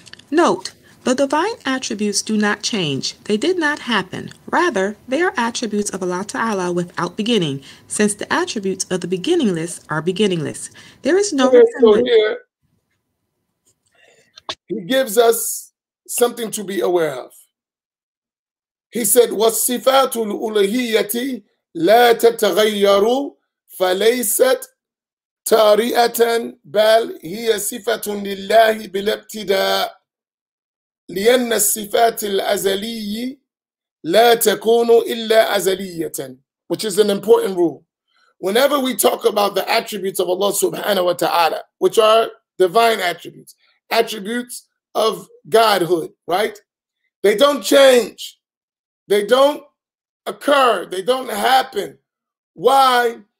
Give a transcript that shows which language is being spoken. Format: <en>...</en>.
<en>Note. The divine attributes do not change. They did not happen. Rather, they are attributes of Allah Ta'ala without beginning, since the attributes of the beginningless are beginningless. There is no... So here, he gives us something to be aware of. He said,</en> <ar>وَالصِّفَاتُ الْأُلَهِيَّةِ لَا تَتَغَيَّرُ فَلَيْسَتْ تَارِئَةً بَلْ هِيَ صِفَةٌ لِلَّهِ بِالْابْتِدَاءِ لِأَنَّ الصِّفَاتِ الْأَزَلِيِّ لَا تَكُونُ إِلَّا أَزَلِيَّةً,</ar> <en>which is an important rule. Whenever we talk about the attributes of Allah subhanahu wa ta'ala, which are divine attributes, attributes of Godhood, right? They don't change. They don't occur. They don't happen. Why?</en>